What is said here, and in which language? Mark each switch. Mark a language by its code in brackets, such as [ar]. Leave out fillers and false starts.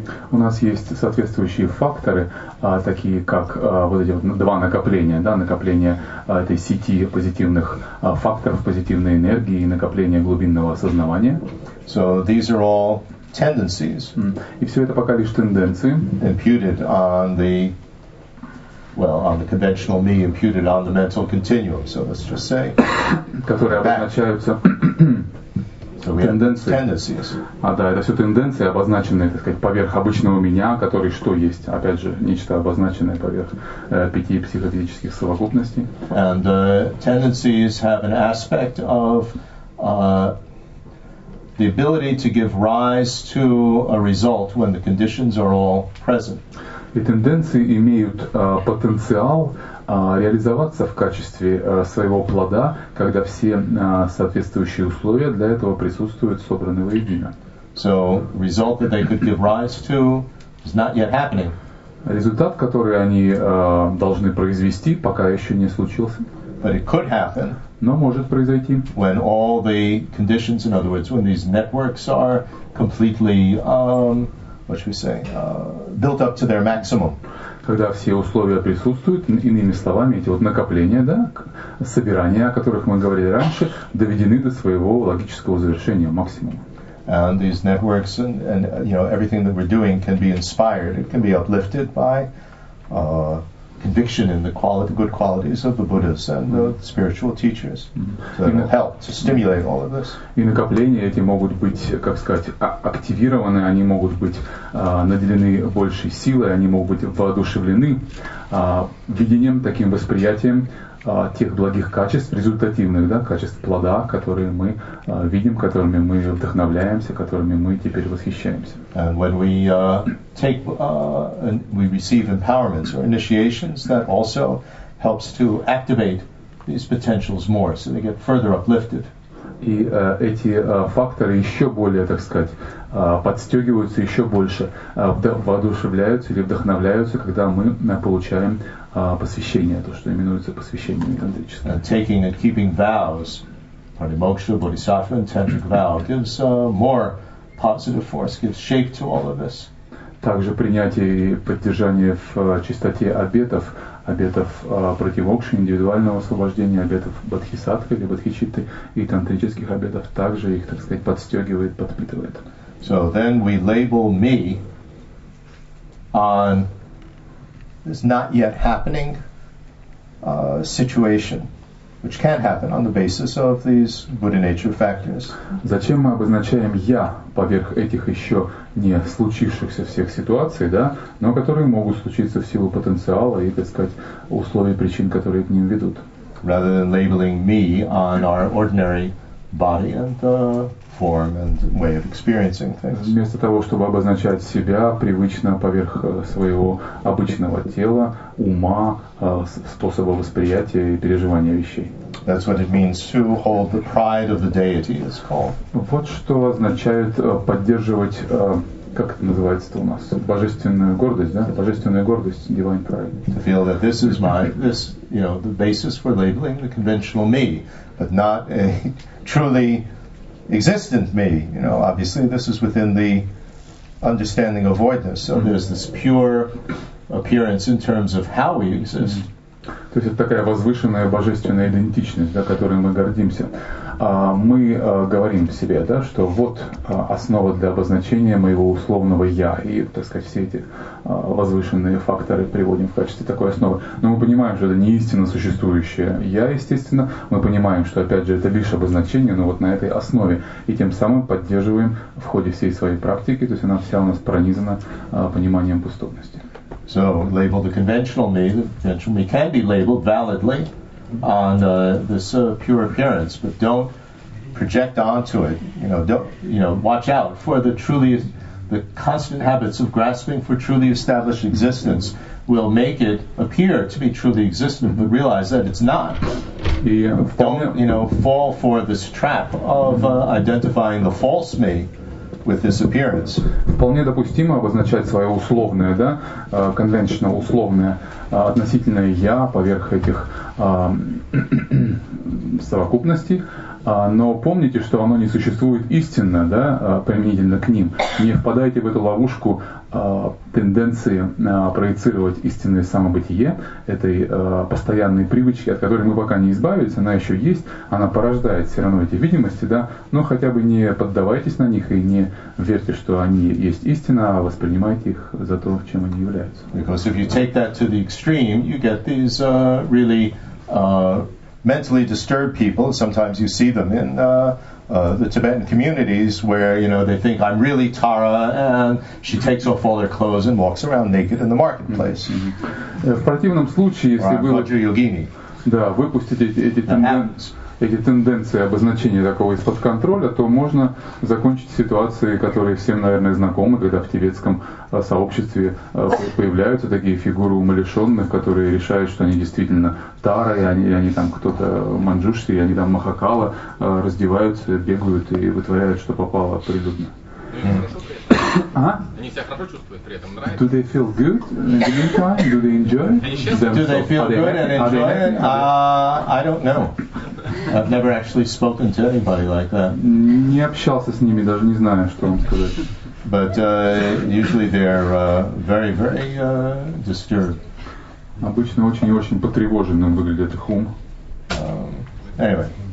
[ru] У нас есть соответствующие факторы, такие как вот эти вот два накопления, да, накопление этой сети позитивных факторов, позитивной энергии и накопление глубинного осознавания. [en] So these are all tendencies. [ru] И все это пока лишь тенденции. [en] Imputed on the conventional me, imputed on the mental continuum. So let's just say. [ru] Которые обозначаются. [en] So we tendencies. [ru] А да, это все тенденции, обозначенные, так сказать, поверх обычного меня, который что есть? Опять же, нечто обозначенное поверх пяти психофизических совокупностей. [en] And tendencies have an aspect of the ability to give rise to a result when the conditions are all present. [ru] И тенденции имеют потенциал реализоваться в качестве своего плода, когда все соответствующие условия для этого присутствуют, собраны воедино. [en] So, result that they could give rise to is not yet happening. [ru] Результат, который они должны произвести, пока еще не случился. [en] But it could happen. [ru] Но может произойти. [en] When all the conditions, in other words, when these networks are completely, built up to their maximum. [ru] Когда все условия присутствуют, иными словами, эти вот накопления, да, собирания, о которых мы говорили раньше, доведены до своего логического завершения, максимума. [en] And these networks and you know, everything that we're doing can be inspired, it can be uplifted by conviction in the good qualities of the Buddhas and the spiritual teachers. So that will help to stimulate all of this. [ru] И накопления эти могут быть, как сказать, активированы, они могут быть наделены большей силой, они могут быть воодушевлены видением, таким восприятием тех благих качеств, результативных, да, качеств плода, которые мы видим, которыми мы вдохновляемся, которыми мы теперь восхищаемся. [en] And when we take, we receive empowerments or initiations, that also helps to activate these potentials more, so they get further uplifted. [ru] И эти факторы еще более, так сказать, подстегиваются еще больше, воодушевляются или вдохновляются, когда мы получаем посвящение, то, что именуется посвящением тантрическим. [en] Taking and keeping vows, pranimoksha, bodhisattva, and tantric vow gives more positive force, gives shape to all of this. [ru] Также принятие и поддержание в чистоте обетов, обетов пратимокши, индивидуального освобождения, обетов бодхисаттвы или бодхичитты и тантрических обетов также их, так сказать, подстегивает, подпитывает. [en] So then we label me on this not yet happening situation, which can happen on the basis of these Buddha nature factors. [ru] Зачем мы обозначаем я поверх этих еще не случившихся всех ситуаций, да, но которые могут случиться в силу потенциала и, так сказать, условий причин, которые к ним ведут. [en] Rather than labeling me on our ordinary body and form and way of experiencing things. [ru] Вместо того, чтобы обозначать себя привычно поверх своего обычного тела, ума, способа восприятия и переживания вещей. [en] That's what it means to hold the pride of the deity, it's called. [ru] Вот что означает поддерживать как это называется-то у нас? Божественная гордость, да? Божественная гордость, [en] divine pride. To feel that this is my, this, you know, the basis for labeling the conventional me, but not a truly existent me. You know, obviously this is within the understanding of voidness. So there's this pure appearance in terms of how we exist. [ru] То есть это такая возвышенная божественная идентичность, да, которой мы гордимся. Мы говорим себе, да, что вот основа для обозначения моего условного «я», и, так сказать, все эти возвышенные факторы приводим в качестве такой основы. Но мы понимаем, что это не истинно существующее «я», естественно. Мы понимаем, что, опять же, это лишь обозначение, но вот на этой основе. И тем самым поддерживаем в ходе всей своей практики, то есть она вся у нас пронизана пониманием пустотности. [en] So, label the conventional me can be labeled validly on this pure appearance, but don't project onto it. You know, don't, you know, watch out for the constant habits of grasping for truly established existence will make it appear to be truly existent, but realize that it's not. Don't, you know, fall for this trap of identifying the false me with this appearance. [ru] Вполне допустимо обозначать свое условное, да, конвенционально условное относительное я поверх этих совокупностей, но помните, что оно не существует истинно, да, применительно к ним. Не впадайте в эту ловушку тенденции проецировать истинное самобытие этой постоянной привычки, от которой мы пока не избавились, она еще есть, она порождает все равно эти видимости, да, но хотя бы не поддавайтесь на них и не верьте, что они есть истина, а воспринимайте их за то, чем они являются. [en] Because if you take that to the extreme, you get these really mentally disturbed people. Sometimes you see them in the Tibetan communities where, you know, they think I'm really Tara, and she takes off all her clothes and walks around naked in the marketplace. [ru] В противном случае, если вы Ваджра-йогини, да, выпустите эти тенденции обозначения такого из-под контроля, то можно закончить ситуации, которые всем, наверное, знакомы, когда в тибетском сообществе появляются такие фигуры умалишенных, которые решают, что они действительно Тара, и они там кто-то манджушский, и они там Махакала, раздеваются, бегают и вытворяют, что попало прилюдно. Они себя хорошо чувствуют при этом, нравится? [en] Do they feel good in the meantime? Do they enjoy? Do they feel good and enjoy it? I don't know. I've never actually spoken to anybody like that. [ru] Не общался с ними, даже не знаю, что вам сказать. [en] But usually they're very, very disturbed. [ru] Обычно очень и очень потревоженным выглядит их ум. [en] Anyway.